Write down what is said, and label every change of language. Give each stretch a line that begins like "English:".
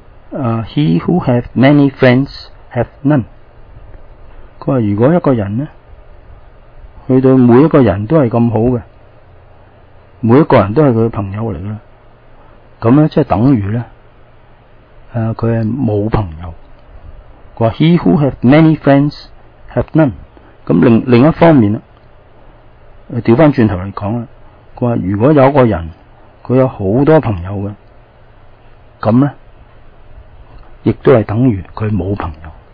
English: He who have many friends have none.
Cantonese: 他說如果一個人呢，他對每一個人都是這麼好的，每一個人都是他的朋友來的，那麼就等於呢佢係冇朋友。佢話
English: He who have many friends have none。
Cantonese: 咁另一方面咧，調翻轉頭嚟講啦，佢話如果有一個人佢有好多朋友嘅，咁咧亦都係等於佢冇朋友。